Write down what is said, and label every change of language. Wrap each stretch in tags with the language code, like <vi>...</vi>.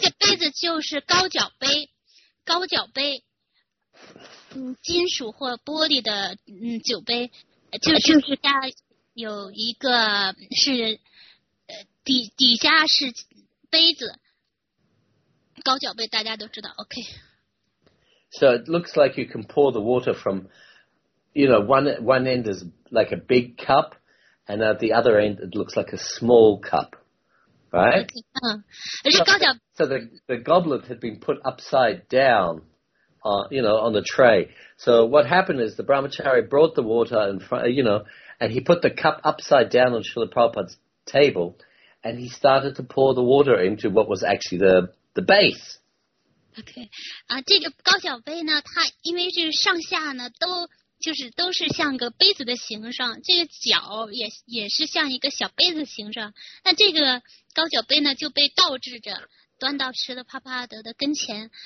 <zh>这个杯子就是高脚杯，金属或玻璃的酒杯，就是下有一个是底下是杯子，高脚杯大家都知道 ，OK.</zh> <en>So it looks like you can pour the water from, you know, one end is like a big cup. And at the other end, it looks like a small cup, right? Okay. So the goblet had been put upside down, you know, on the tray. So what happened is the brahmachari brought the water in front, you know, and he put the cup upside down on Srila Prabhupada's table, and he started to pour the water into what was actually the base. Okay.</en> <zh>这个高脚杯呢，它因为这个上下呢都。就是都是像个杯子的形状，这个脚也是像一个小杯子形状。那这个高脚杯呢就被倒置着，端到吃的帕帕德的跟前。</zh>